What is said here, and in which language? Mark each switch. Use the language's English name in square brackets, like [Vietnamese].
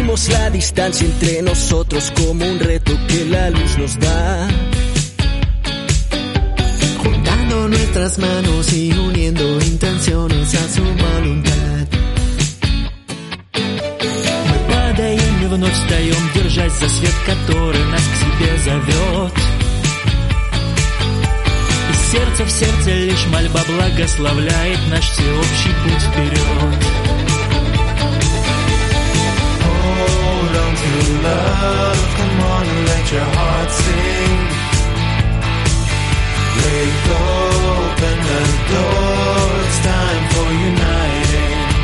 [Spanish] La distancia entre nosotros como un reto que la luz nos da. Juntando nuestras manos y uniendo intenciones a su voluntad. [Russian] Мы падаем и вновь встаем, держась за свет, который нас к себе зовет. И сердце в сердце лишь мольба благословляет наш всеобщий путь вперед. [English] To love, come on and let your heart sing. Break open the door, it's time for uniting.